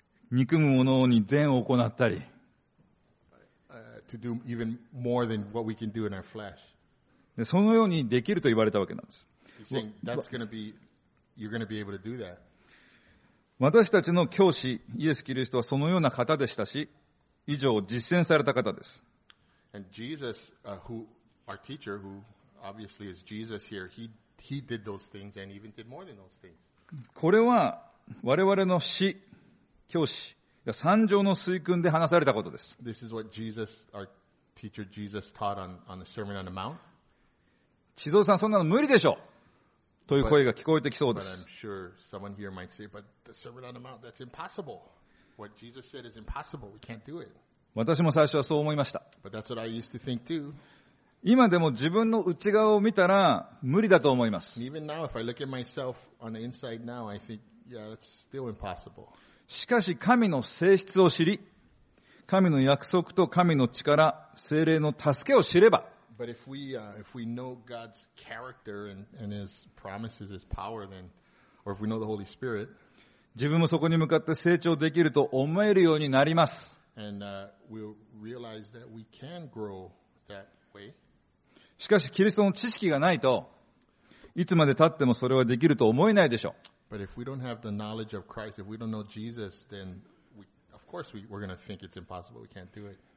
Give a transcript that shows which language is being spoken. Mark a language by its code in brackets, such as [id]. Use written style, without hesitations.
[ja] 憎む者に善を行ったり、 [en] to do even more than what we can do in our flesh. [ja] で、そのようにできると言われたわけなんです。 [en] He's saying, that's gonna be, you're gonna be able to do that. [ja] 私たちの教師イエス・キリストはそのような方でしたし、以上実践された方です。 [en] And Jesus, who our teacher, who obviously is Jesus here, he did those things and even did more than those things. [ja] これは我々の師、教師、三条の水訓で話されたことです。 [en] This is what Jesus, our teacher Jesus, taught on the Sermon on the Mount. [ja] 地蔵さん、そんなの無理でしょう。という声が聞こえてきそうです。 [en] But I'm sure someone here might say, but the Sermon on the Mount, that's impossible. What Jesus said is impossible. We can't do it. [ja] 私も最初はそう思いました。 [en] But that's what I used to think too. [ja] 今でも自分の内側を見たら無理だと思います。 [en] Even now, if I look at myself on the inside now, I think, yeah, that's still impossible. [ja] しかし神の性質を知り、神の約束と神の力、聖霊の助けを知れば、 [en] But if we know God's character and His promises, His power, then, or if we know the Holy Spirit, [ja] 自分もそこに向かって成長できると思えるようになります。 [en] And we'll realize that we can grow that way. [ja] しかし、キリストの知識がないと、いつまで経ってもそれはできると思えないでしょう。 [en] But if we don't have the knowledge of Christ, if we don't know Jesus, then of course we're going to think it's impossible. We can't do it.